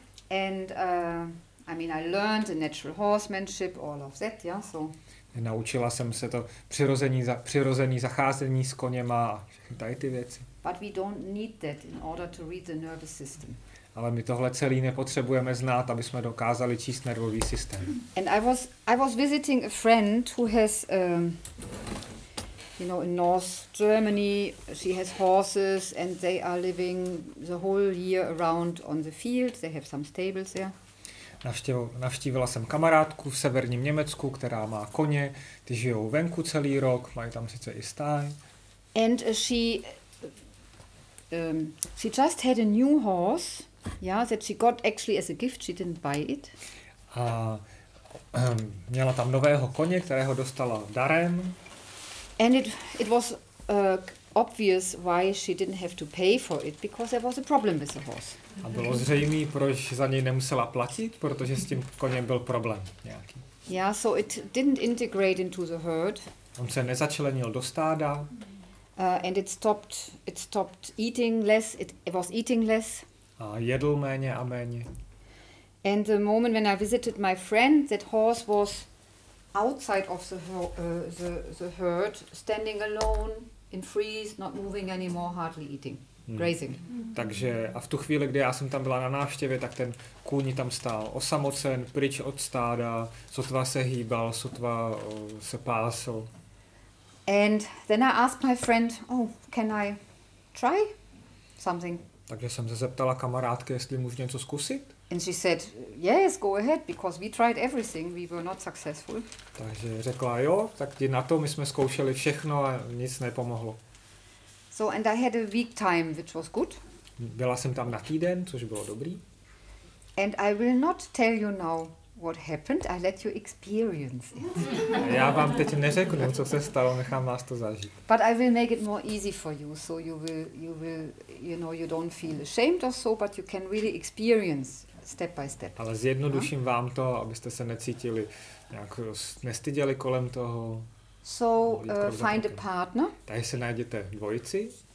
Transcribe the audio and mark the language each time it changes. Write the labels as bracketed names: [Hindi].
[English] And I learned the natural horsemanship, all of that, yeah, so. [Czech] Naučila jsem se to přirozený zacházení s koněma a všechny tady ty věci. [English] But we don't need that in order to read the nervous system. [Czech] Ale my tohle celý nepotřebujeme znát, aby jsme dokázali číst nervový systém. [English] And I was visiting a friend who has in North Germany, she has horses and they are living the whole year around on the field. They have some stables there. [Czech] Navštívila jsem kamarádku v severním Německu, která má koně, ty žijou venku celý rok, mají tam sice i stáj. [English] And she just had a new horse. Yeah, that she got actually as a gift, she didn't buy it. [Czech] A měla tam nového koně, kterého dostala darem. [English] And it was obvious why she didn't have to pay for it, because there was a problem with the horse. [Czech] A bylo zřejmé, proč za něj nemusela platit, protože s tím koněm byl problém nějaký. [English] Yeah, so it didn't integrate into the herd. [Czech] On se nezačlenil do stáda. [English] And it stopped eating less. It was eating less. [Czech] A jedl méně a méně. [English] And the moment when I visited my friend, that horse was outside of the herd, standing alone, in freeze, not moving anymore, hardly eating, grazing. Mm. [Czech] Takže a v tu chvíli, kdy já jsem tam byla na návštěvě, tak ten kůň tam stál osamocen, pryč od stáda, sotva se hýbal, sotva se pásl. [English] And then I asked my friend, can I try something? [Czech] Takže jsem se zeptala kamarádky, jestli můžu něco zkusit. [English] And she said, yes, go ahead, because we tried everything, we were not successful. [Czech] Takže řekla, jo, tak jdi na to, my jsme zkoušeli všechno a nic nepomohlo. [English] So, and I had a week time, which was good. [Czech] Byla jsem tam na týden, což bylo dobrý. [English] And I will not tell you now what happened, I let you experience it. [Czech] Já vám teď neřeknu, co se stalo, nechám vás to zažít. [English] But I will make it more easy for you, so you will you don't feel ashamed or so, but you can really experience step by step. [Czech] Ale zjednoduším vám to, abyste se necítili nějak nestyděli kolem toho. [English] So find a partner. [Czech] Takže se najděte dvojici.